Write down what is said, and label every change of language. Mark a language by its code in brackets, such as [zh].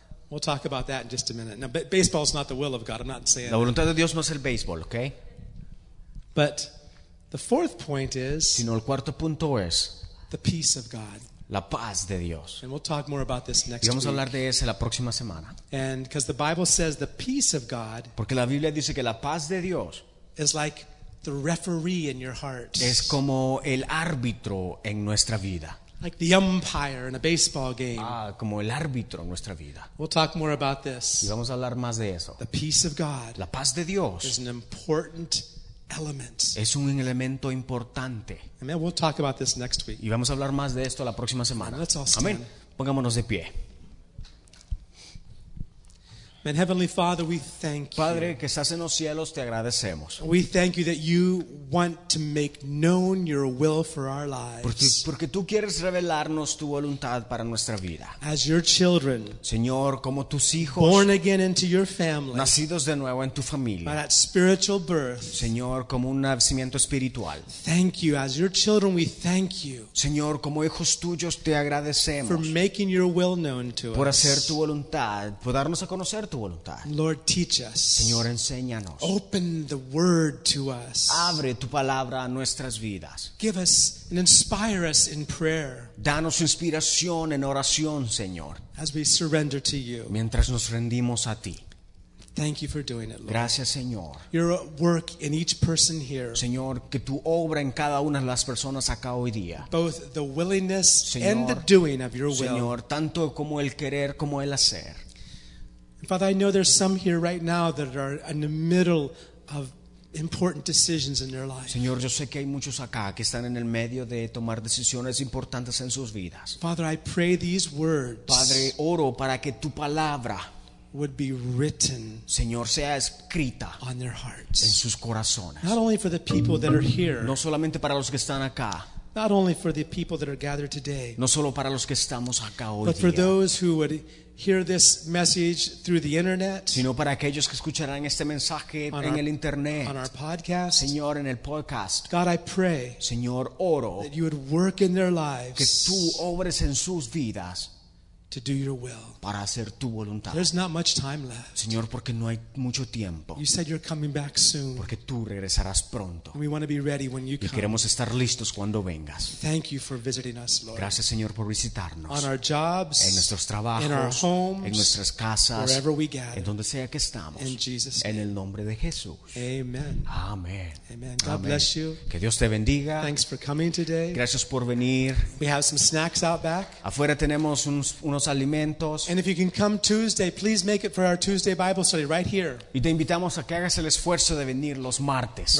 [en] we'll talk about that in just a minute. Now, baseball is not the will of God. I'm not saying [es] la voluntad [en] that. [es] De Dios no es el béisbol, okay? [en] But the fourth point is, [es] sino el cuarto punto es, [en] the peace of God. [es] La paz de Dios. [en] And we'll talk more about this next [es] y vamos [en] week. [es] A hablar de eso la próxima semana. [en] And because the Bible says the peace of God, [es] porque la Biblia dice que la paz de Dios [en] is like the referee in your heart. [es] Es como el árbitro en nuestra vida. [en] Like the umpire in a baseball game. [es] Ah, como el árbitro en nuestra vida. [en] We'll talk more about this. [es] Y vamos a hablar más de eso. [en] The peace of God, [es] la paz de Dios, [en] is an important element. [es] Es un elemento importante. [en] Amen. We'll talk about this next week. [es] Y vamos a hablar más de esto la próxima semana. [en] Let's all stand. Amen. [es] Pongámonos de pie. [en] And Heavenly Father, we thank you. [es] Padre que estás en los cielos, te agradecemos. [en] We thank you that you want to make known your will for our lives. [es] Porque tú quieres revelarnos tu voluntad para nuestra vida. [en] As your children, [es] Señor, como tus hijos, [en] born again into your family, [es] nacidos de nuevo en tu familia, [en] by that spiritual birth, [es] Señor, como un nacimiento espiritual. [en] Thank you, as your children, we thank you. [es] Señor, como hijos tuyos, te agradecemos. [en] For making your will known to us. [es] Por hacer tu voluntad, por darnos a conocer. [en] Lord, teach us. [es] Señor, enséñanos. [en] Open the word to us. [es] Abre tu palabra a nuestras vidas. [en] Give us and inspire us in prayer. [es] Danos inspiración en oración, Señor. [en] As we surrender to you. [es] Mientras nos rendimos a ti. [en] Thank you for doing it, Lord. [es] Gracias, Señor. [en] Your work in each person here. [es] Señor, que tu obra en cada una de las personas acá hoy día. [en] Both the willingness, [es] Señor, [en] and the doing of your will. [es] Señor, tanto como el querer como el hacer. [en] Father, I know there's some here right now that are in the middle of important decisions in their lives. [es] Señor, yo sé que hay muchos acá que están en el medio de tomar decisiones importantes en sus vidas. [en] Father, I pray these words. [es] Padre, oro para que tu palabra [en] would be written, [es] Señor, sea escrita [en] on their hearts, [es] en sus corazones. [en] Not only for the people that are here. [es] No solamente para los que están acá. [en] Not only for the people that are gathered today. [es] No solo para los que estamos acá hoy. [en] But for those who would hear this message through the internet, [es] sino para aquellos que escucharán este mensaje en el internet, [en] on our podcast, [es] Señor, en el podcast, [en] God, I pray, [es] Señor, oro, [en] that you would work in their lives, [es] que tú obres en sus vidas, [en] to do your will, [es] para hacer tu voluntad. [en] There's not much time left, [es] Señor, porque no hay mucho tiempo. [en] You said you're coming back soon, [es] porque tú regresarás pronto. [en] We want to be ready when you come. [es] Y queremos estar listos cuando vengas. [en] Thank you for visiting us, Lord. [es] Gracias, Señor, por visitarnos. [en] On our jobs, [es] en nuestros trabajos, [en] in our homes, [es] en nuestras casas, [en] wherever we gather, [es] en donde sea que estamos, [en] in Jesus' name. [es] En el nombre de Jesús. [en] Amen. [es] Amen. [en] Amen. God bless you. [es] Que Dios te bendiga. [en] Thanks for coming today. [es] Gracias por venir. [en] We have some snacks out back. [es] Afuera tenemos unos alimentos. [en] And if you can come Tuesday, please make it for our Tuesday Bible study right here. [es] Y te invitamos a que hagas el esfuerzo de venir los martes.